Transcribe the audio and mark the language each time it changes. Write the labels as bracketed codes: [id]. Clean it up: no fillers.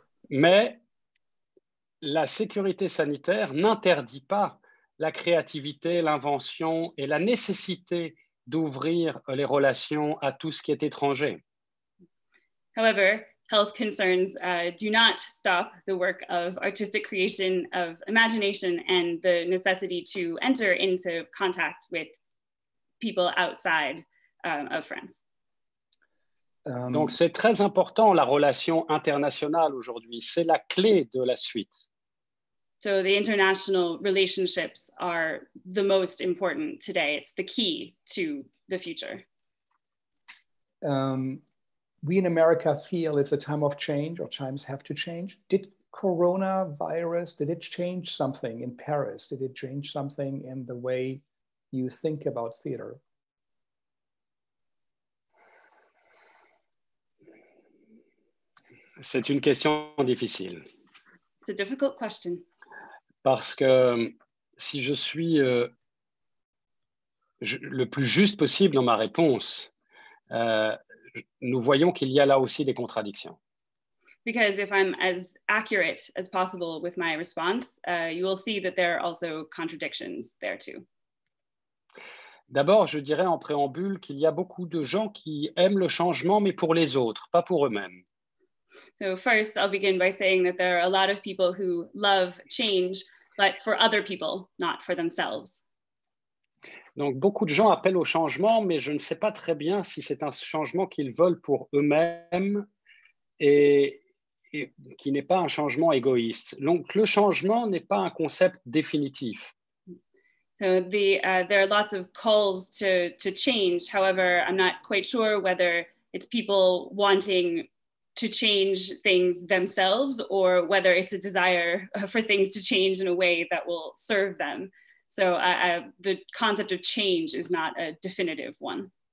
[fr] Mais la sécurité sanitaire n'interdit pas la créativité, l'invention et la nécessité d'ouvrir les relations à tout ce qui est étranger. [en] However, health concerns do not stop the work of artistic creation, of imagination, and the necessity to enter into contact with people outside of France. [fr] Donc c'est très important la relation internationale aujourd'hui, c'est la clé de la suite. [en] So the international relationships are the most important today, it's the key to the future. We in America feel it's a time of change, or times have to change. Did coronavirus, did it change something in Paris? Did it change something in the way you think about theater? [fr] C'est une question difficile. [en] It's a difficult question. [fr] Parce que si je suis le plus juste possible dans ma réponse, nous voyons qu'il y a là aussi des contradictions. [en] Because if I'm as accurate as possible with my response, you will see that there are also contradictions there too. [fr] D'abord, je dirais en préambule qu'il y a beaucoup de gens qui aiment le changement, mais pour les autres, pas pour eux-mêmes. [en] So first, I'll begin by saying that there are a lot of people who love change, but for other people, not for themselves. [fr] Donc beaucoup de gens appellent au changement, mais je ne sais pas très bien si c'est un changement qu'ils veulent pour eux-mêmes et qui n'est pas un changement égoïste. Donc le changement n'est pas un concept définitif. [en] So there are lots of calls to change. However, I'm not quite sure whether it's people wanting to change things themselves or whether it's a desire for things to change in a way that will serve them. So the concept of change is not a definitive one.